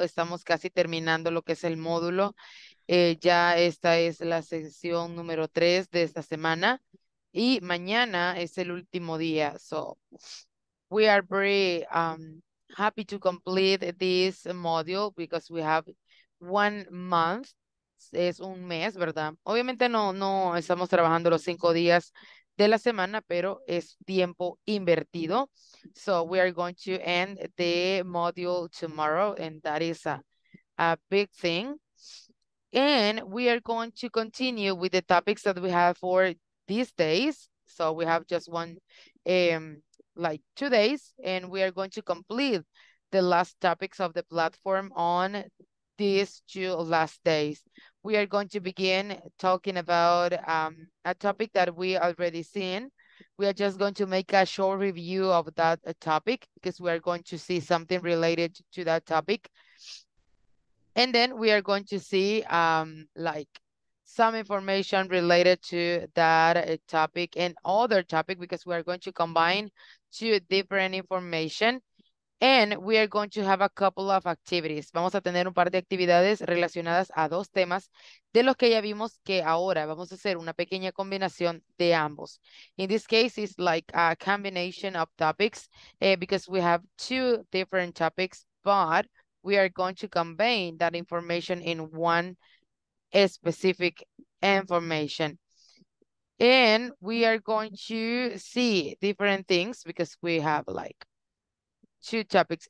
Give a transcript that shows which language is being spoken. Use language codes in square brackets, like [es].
[es] Estamos casi terminando lo que es el módulo. Ya esta es la sesión número tres de esta semana. Y mañana es el último día. [en] So, we are very happy to complete this module because we have 1 month. [es] Es un mes, ¿verdad? Obviamente no estamos trabajando los 5 días de la semana, pero es tiempo invertido. [en] So we are going to end the module tomorrow, and that is a big thing. And we are going to continue with the topics that we have for these days. So we have just one, like 2 days, and we are going to complete the last topics of the platform on these 2 last days. We are going to begin talking about a topic that we already seen. We are just going to make a short review of that topic because we are going to see something related to that topic. And then we are going to see like some information related to that topic and other topic because we are going to combine two different information. And we are going to have a couple of activities. [es] Vamos a tener un par de actividades relacionadas a dos temas de los que ya vimos que ahora vamos a hacer una pequeña combinación de ambos. [en] In this case, it's like a combination of topics because we have two different topics, but we are going to combine that information in one specific information. And we are going to see different things because we have like two topics.